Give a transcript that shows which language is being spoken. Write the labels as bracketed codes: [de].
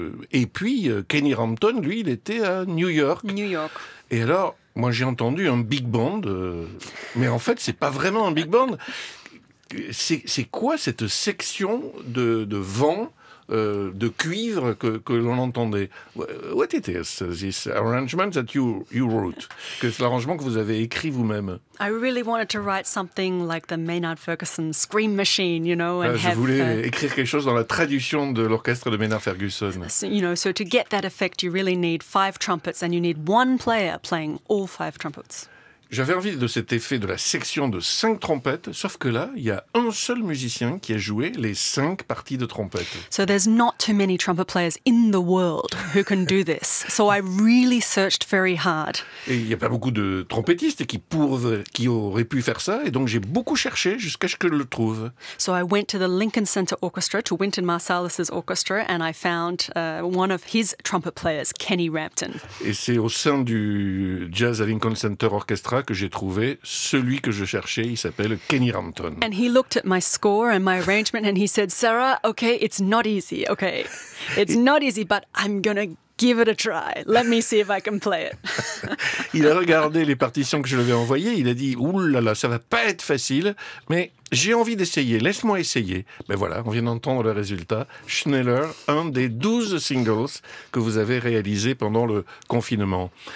[fr] Et puis Kenny Rampton, lui, il était à New York. New York. Et alors, moi j'ai entendu un big band, mais en fait c'est pas vraiment un big band. C'est quoi cette section de vent, de cuivre que l'on entendait? [en] What it is, this arrangement that you wrote? [fr] Que c'est l'arrangement que vous avez écrit vous-même? [en] I really wanted to write something like the Maynard Ferguson Scream Machine, you know. [fr] And écrire quelque chose dans la traduction de l'orchestre de Maynard Ferguson. [en] You know, so to get that effect, you really need five trumpets and you need one player playing all five trumpets. [fr] J'avais envie de cet effet de la section de cinq trompettes, sauf que là, il y a un seul musicien qui a joué les cinq parties de trompette. [en] So there's not too many trumpet players in the world who can do this. So I really searched very hard. [fr] Et il n'y a pas beaucoup de trompettistes qui auraient pu faire ça, et donc j'ai beaucoup cherché jusqu'à ce que je le trouve. [en] So I went to the Lincoln Center Orchestra, to Wynton Marsalis' orchestra, and I found one of his trumpet players, Kenny Rampton. [fr] Et c'est au sein du Jazz à Lincoln Center Orchestra que j'ai trouvé celui que je cherchais. Il s'appelle Kenny Rampton. [en] And he looked at my score and my arrangement and he said, Sarah, okay, it's not easy, okay. It's not easy, but I'm gonna give it a try. Let me see if I can play it. [fr] Il a regardé les partitions que je lui ai envoyées. Il a dit, oulala, ça va pas être facile, mais j'ai envie d'essayer. Laisse-moi essayer. Ben voilà, on vient d'entendre le résultat. Schneller, un des 12 singles que vous avez réalisés pendant le confinement.